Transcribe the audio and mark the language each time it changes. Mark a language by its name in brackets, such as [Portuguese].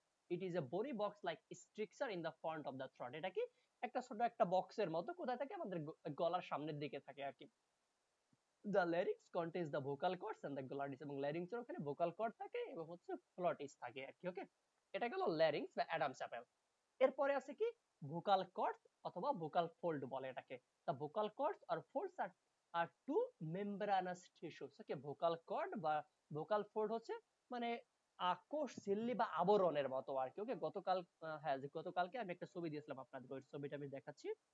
[English] it is a body box like structure in the front of the throat, [Bangla] এটা কি একটা ছোট একটা বক্সের মতো কোথায় থাকে আমাদের গলার সামনের দিকে থাকে আর কি। [English] The larynx contains the vocal cords and the glottis. [Bangla] এবং larynx এর ওখানে vocal cord থাকে এবং হচ্ছে glottis থাকে আর কি, ওকে। এটা গেল larynx বা Adam's apple। এরপরে আছে কি vocal cords অথবা vocal fold বলে এটাকে। [English] The vocal cords or folds are two membranous tissues, okay. [Bangla] Vocal cord বা vocal fold হচ্ছে মানে কোষ ঝিল্লি বা আবরণের মতো আর কি, ওকে। গতকাল হ্যাঁ গতকালকে আমি একটা ছবি দিয়েছিলাম আপনাদের, ওই ছবিটা আমি দেখাচ্ছি।